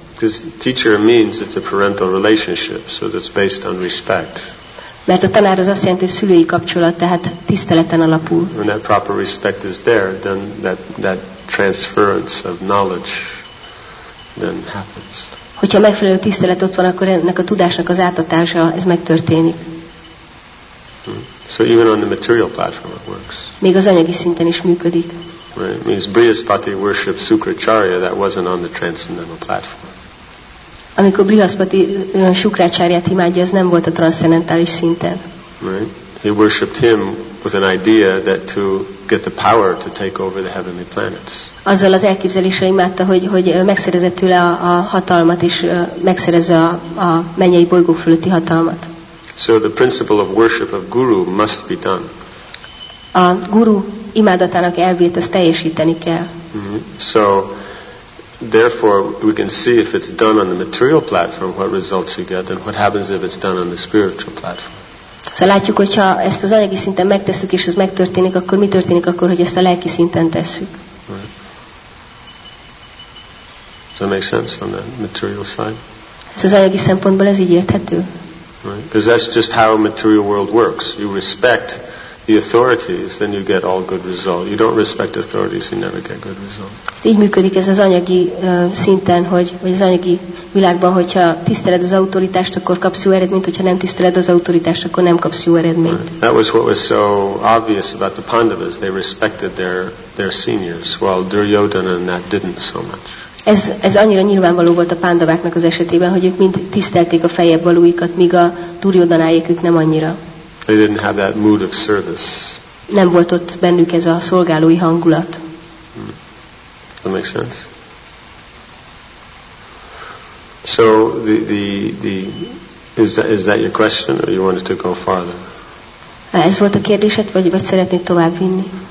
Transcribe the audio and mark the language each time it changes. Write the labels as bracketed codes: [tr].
[en] Because teacher means it's a parental relationship, so that's based on respect. [hu] Mert a tanár az azt jelenti, hogy szülői kapcsolat, tehát tiszteleten alapul. [en] When that proper respect is there, then that transference of knowledge then happens. [hu] Hogyha megfelelő tisztelet ott van, akkor ennek a tudásnak az átadása, ez megtörténik. [en] So even on the material platform it works. [hu] Még az anyagi szinten is működik. [en] Right. Means Brihaspati worships Shukracharya, that wasn't on the transcendental platform. [hu] Amikor Brihaspati Shukracharyát imádja, az nem volt a transzcendentális szinten. [en] Right. He worshipped him with an idea that to get the power to take over the heavenly planets. [hu] Azzal az elképzeléssel imádta, hogy megszerezett tőle a hatalmat, és megszerezze a mennyei bolygók fölötti hatalmat. [en] So the principle of worship of guru must be done. [hu] A guru imádatának elvét azt teljesíteni kell. [en] So therefore we can see if it's done on the material platform what results you get and what happens if it's done on the spiritual platform. [hu] Szóval látjuk, hogyha ezt az anyagi szinten megtesszük, és ez megtörténik, akkor mi történik akkor, hogy ezt a lelki szinten tesszük? [en] Right. Does that make sense on the material side? [hu] Ez az anyagi szempontból ez így érthető. [en] Because that's just how a material world works. You respect the authorities, then you get all good result. You don't respect authorities, you never get good result. [hu] Így működik ez az anyagi szinten, hogy az anyagi világban, hogyha tiszteled az autoritást, akkor kapsz jó eredményt, hogyha nem tiszteled az autoritást, akkor nem kapsz jó eredményt. [en] Right. That was what was so obvious about the Pandavas. They respected their seniors, while Duryodhana and that didn't so much. [hu] Ez annyira nyilvánvaló volt a pándaváknak az esetében, hogy ők mind tisztelték a feljebb valóikat, míg a Duryodhanáék ők nem annyira. [en] They didn't have that mood of service. [hu] Nem volt ott bennük ez a szolgálói hangulat. [en] Hmm. That makes sense. So the is that your question or you wanted to go farther? [hu] Ez volt a kérdésed, vagy szeretnéd tovább vinni?